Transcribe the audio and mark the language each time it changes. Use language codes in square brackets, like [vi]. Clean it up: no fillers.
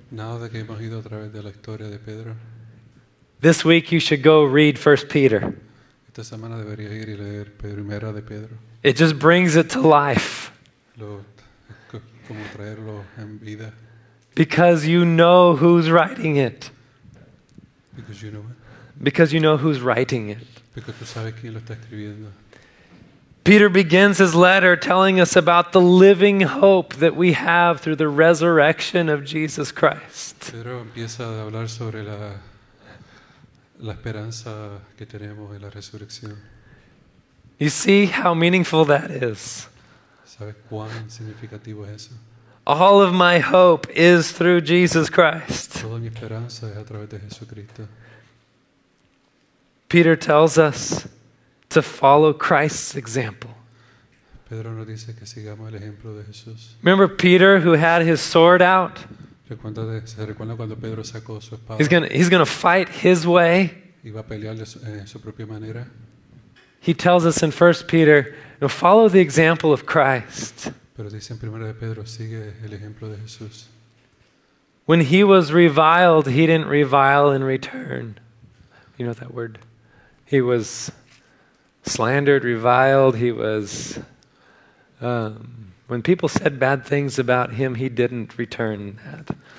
[en] now that we've gone through the story of Peter, this week you should go read 1 Peter. [es] Esta semana debería ir y leer Primera de Pedro. [en] It just brings it to life. [es] Como traerlo en vida. [en] Because you know who's writing it. Because you know what? Because you know who's writing it. [es] Porque tú sabes quién lo está escribiendo. [en] Peter begins his letter telling us about the living hope that we have through the resurrection of Jesus Christ. [es] Pedro empieza a hablar sobre la esperanza que tenemos en la resurrección. [en] You see how meaningful that is. [es] ¿Sabes cuán significativo es eso? [en] All of my hope is through Jesus Christ. [es] Toda mi esperanza es a través de Jesucristo. [en] Peter tells us to follow Christ's example. [es] Pedro nos dice que sigamos el ejemplo de Jesús. [en] Remember Peter who had his sword out? [es] ¿Se recuerda cuando Pedro sacó su espada? [en] He's gonna fight his way. [es] Iba a pelear de su propia manera. [en] He tells us in 1 Peter, follow the example of Christ. [es] Pero dice en 1 de Pedro, sigue el ejemplo de Jesús. [en] When he was reviled, he didn't revile in return. You know that word? He was slandered, reviled, he was When people said bad things about him, he didn't return that.